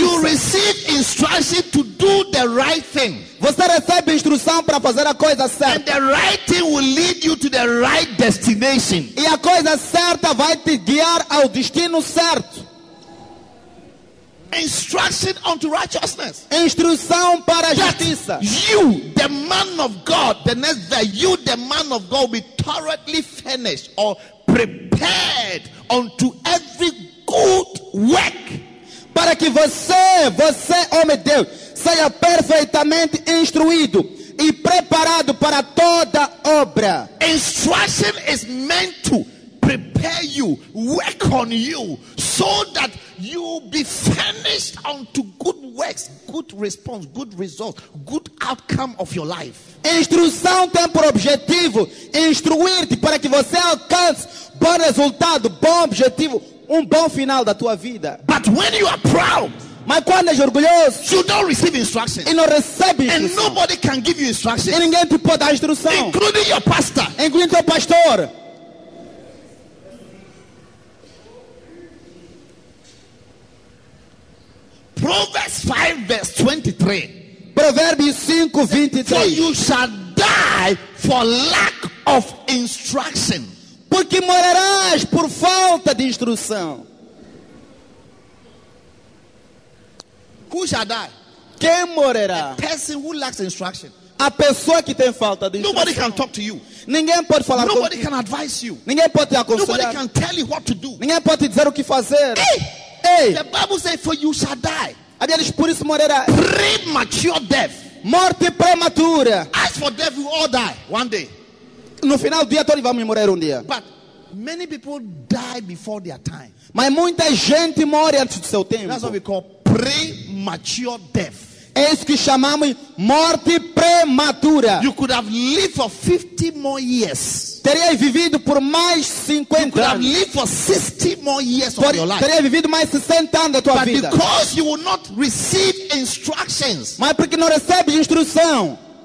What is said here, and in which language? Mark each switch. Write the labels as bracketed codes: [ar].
[en] You receive instruction to do the right thing. [pt] Você recebe instrução para fazer a coisa certa. [en] And the right thing will lead you to the right destination. [pt] E a coisa certa vai te guiar ao destino certo. [en] Instruction unto righteousness. [pt] Instrução para justiça. [en] You, the man of God, the next day, you, the man of God, will be thoroughly finished or prepared unto every good work. [pt] Para que você, homem de Deus, seja perfeitamente instruído e preparado para toda obra. [en] Instruction is meant to prepare you, work on you, so that you will be furnished unto good works, good response, good result, good outcome of your life. [pt] Instrução tem por objetivo instruir-te para que você alcance bom resultado, bom objetivo, bom final da tua vida. [en] But when you are proud, [pt] mas quando és orgulhoso, [en] you don't receive instructions. [pt] E não recebe instrução. [en] And nobody can give you instructions. [pt] E ninguém te pode dar instrução. [en] Including your pastor. [pt] Incluindo teu pastor. [en] Proverbs 5, verse 23. [pt] Provérbios 5, 23. [en] For you shall die for lack of instruction. [pt] Porque morrerás por falta de instrução. [en] Who shall die? [pt] Quem morrerá? [en] A person who lacks instruction. [pt] A pessoa que tem falta de instrução. [en] Nobody can talk to you. [pt] Ninguém pode falar com você. [en] Nobody can advise you. [pt] Ninguém pode te aconselhar. [en] Nobody can tell you what to do. [pt] Ninguém pode te dizer o que fazer. [en] Hey. The Bible says, for you shall die. [pt] A Bíblia diz, por isso morrerá. [en] Premature death. [pt] Morte prematura. [en] As for death, we all die one day. [pt] No final do dia, todos vamos morrer dia. [en] But many people die before their time. [pt] Mas muita gente morre antes do seu tempo. [en] That's what we call premature death. [pt] É isso que chamamos morte prematura. [en] You could have lived for 50 more years. [pt] Teria vivido por mais 50 anos. [en] You could have lived for 60 more years of your life. [pt] Teria vivido mais 60 anos da tua [en] but [pt] vida. [en] But because you will not receive instructions. [pt] Mas porque não recebe instrução.